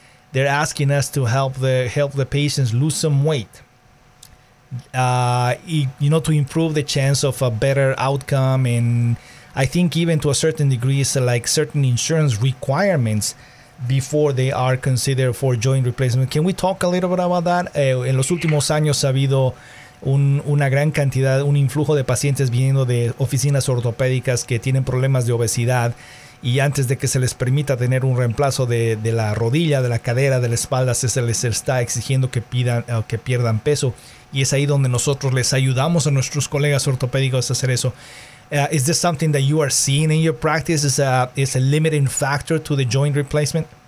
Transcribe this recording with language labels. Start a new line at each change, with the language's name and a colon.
English: They're asking us to help the patients lose some weight, you know, to improve the chance of a better outcome. And I think even to a certain degree, it's like certain insurance requirements before they are considered for joint replacement. Can we talk a little bit about that?
Spanish: En los últimos años ha habido una gran cantidad, un influjo de pacientes viniendo de oficinas ortopédicas que tienen problemas de obesidad, y antes de que se les permita tener un reemplazo de la rodilla, de la cadera, de la espalda, se les está exigiendo que pidan que pierdan peso. Y es ahí donde nosotros les ayudamos a nuestros colegas ortopédicos a hacer eso.
English: Is this something that you are seeing in your practice? Is a limiting factor to the joint replacement?